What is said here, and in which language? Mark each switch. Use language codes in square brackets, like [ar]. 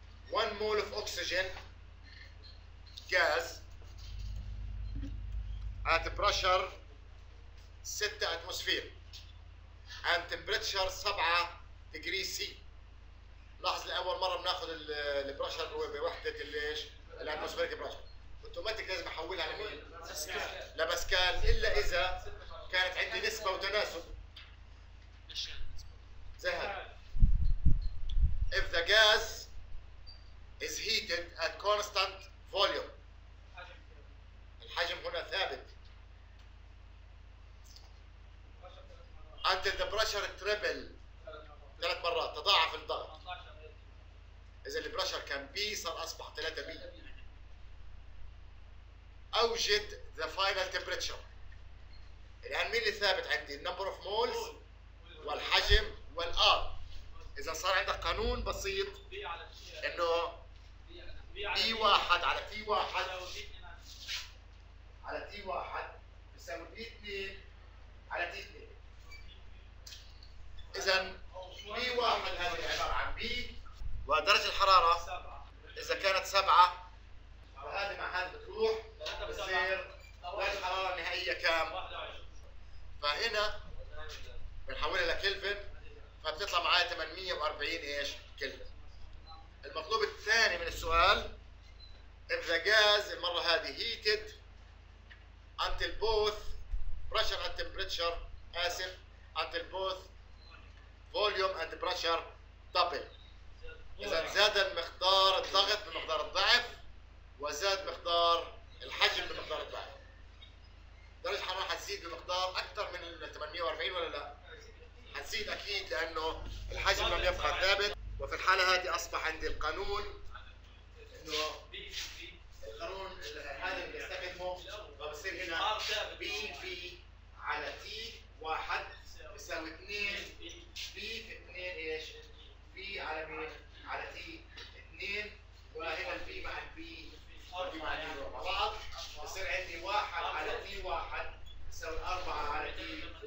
[en] 1 mol of oxygen gas at pressure 6 atmosphere and temperature 7 degree C. [ar] لاحظ لاول مره بناخذ البريشر بوحده ليش؟ الاتموسفيريك بريشر. اوتوماتيك لازم احولها لمين؟ لباسكال. الا اذا كانت عندي نسبه وتناسب. زي هذا. [en] If the gas is heated at constant volume. [ar] الحجم هنا ثابت. [en] Until the pressure triple. [ar] ثلاث مرات تضاعف الضغط. اذا البريشر كان بي صار اصبح 3 بي. أوجد [en] The final temperature. [ar] الآن مين اللي ثابت عندي؟ النمبر اوف مولز والحجم والآر. إذا صار عندك قانون بسيط إنه بي واحد على تي واحد على تي واحد بيساوي بي اثنين على تي اثنين. إذا بي واحد هذه عبارة عن بي ودرجة الحرارة إذا كانت سبعة وهذه مع هذه بتروح بصير الحرارة النهائية كام؟ فهنا بنحولها لكلفن فبتطلع معايا 840 ايش؟ كلفن. المطلوب الثاني من السؤال إذا جاز المرة هذه [en] heated until both pressure and temperature [ar] آسف [en] until both volume and pressure double. [ar] إذا زاد مقدار الضغط بمقدار الضعف وزاد مقدار الحجم بمقدار الضعف. درجة الحرارة حتزيد بمقدار أكثر من 840 ولا لا؟ حنزيد اكيد لانه الحجم لم يبقى ثابت، وفي الحاله هذه اصبح عندي القانون انه بي في القانون هذا اللي بستخدمه بصير هنا بي في على تي واحد بيساوي 2 بي في 2 ايش؟ بي على مين؟ على تي 2 وهنا البي مع البي والبي مع البي مع بعض بصير عندي 1 على تي 1 بيساوي 4 على تي.